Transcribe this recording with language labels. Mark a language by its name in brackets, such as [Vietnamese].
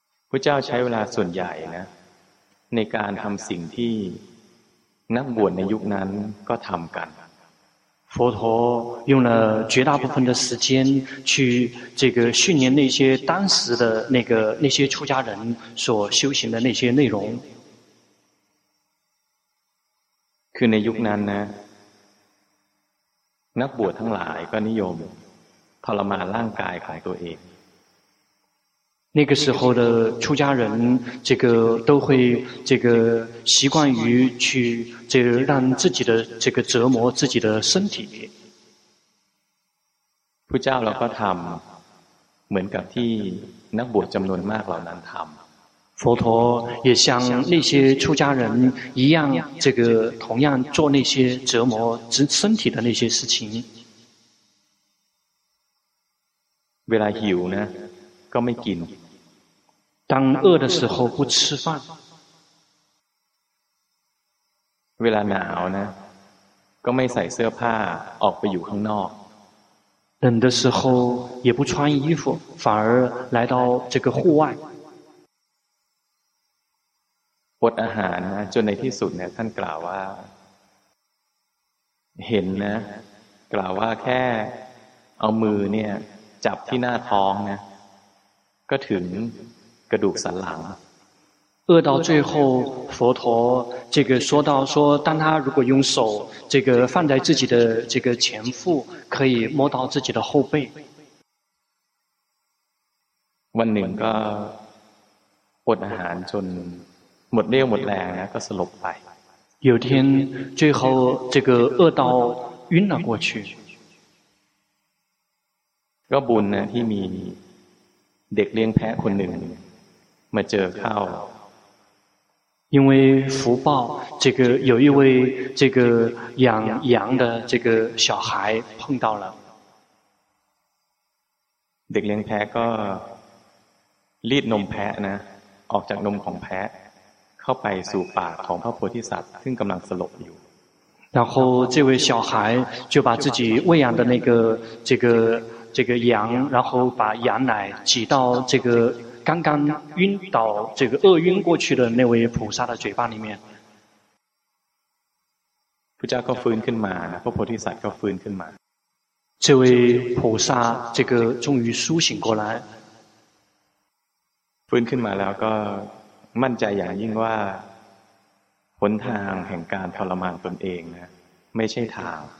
[Thai] พระเจ้าใช้เวลาส่วนใหญ่นะในการทำสิ่งที่นักบวชในยุคนั้นก็ทำกัน [Chinese] 佛陀用了绝大部分的时间去这个训练那些当时的那个那些出家人所修行的那些内容。 [Thai] คือในยุคนั้นนะนักบวชทั้งหลายก็นิยมทรมานร่างกายของตัวเอง [Chinese] 那个时候的出家人这个都会这个习惯于去这个让自己的这个折磨自己的身体 [Thai] พุทธเจ้าก็ทำเหมือนกับที่นักบวชจำนวนมากเหล่านั้นทำ [Chinese] 佛陀也像那些出家人一样这个同样做那些折磨身体的那些事情 [Thai] เวลาหิวนะก็ไม่กิน [Chinese] 当饿的时候不吃饭 [Thai] เวลาหนาวนะก็ไม่ใส่เสื้อผ้าออกไปอยู่ข้างนอก [Chinese] 冷的时候也不穿衣服反而来到这个户外 [Thai] อดอาหารนะจนในที่สุดเนี่ยท่านกล่าวว่าเห็นนะกล่าวว่าแค่เอามือเนี่ยจับที่หน้าท้องนะก็ถึงกระดูกสันหลัง [Chinese] 饿到最后佛陀这个说到说当他如果用手这个放在自己的这个前腹可以摸到自己的后背 [Thai] วันหนึ่งก็อดอาหารจนหมดเรี่ยวหมดแรงแล้วก็สลบไป [Chinese] 有天最后这个饿到晕了过去 [Thai] ก็บุญนะที่มีเด็กเลี้ยงแพะคนหนึ่งมาเจอเข้า [Chinese] 因为福报这个有一位这个养羊的这个小孩碰到了 [Thai] เด็กเลี้ยงแพะก็รีดนมแพะนะออกจากนมของแพะเข้าไปสู่ปากของพระโพธิสัตว์ซึ่งกำลังสลบอยู่ [Chinese] 然后这位小孩就把自己喂养的那个这个羊然后把羊奶挤到这个刚刚晕倒这个饿晕过去的那位菩萨的嘴巴里面 [Thai] พระเจ้าก็ฟื้นขึ้นมานะพระโพธิสัตว์ก็ฟื้นขึ้นมา [Chinese] 这位菩萨这个终于苏醒过来 [Thai] ฟื้นขึ้นมาแล้วก็มั่นใจอย่างยิ่งว่าหนทางแห่งการทรมานตนเองนะไม่ใช่ทาง